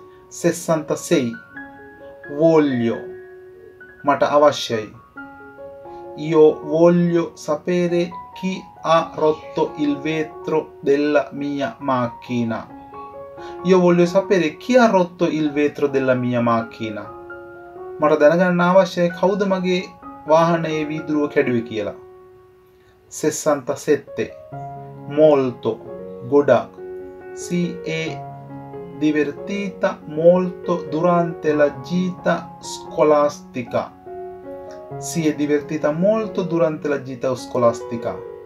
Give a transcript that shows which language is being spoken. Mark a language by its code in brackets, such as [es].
[si] 66 voglio මට අවශ්‍යයි. [it] Io voglio sapere chi ha rotto il vetro della mia macchina. Io voglio sapere chi ha rotto il vetro della mia macchina. [si] මට දැනගන්න අවශ්‍යයි කවුද මගේ වාහනේ වීදුරුව කැඩුවේ කියලා. [it] 67 molto godak si è divertita molto durante la gita scolastica. Si è divertita molto durante la gita scolastica.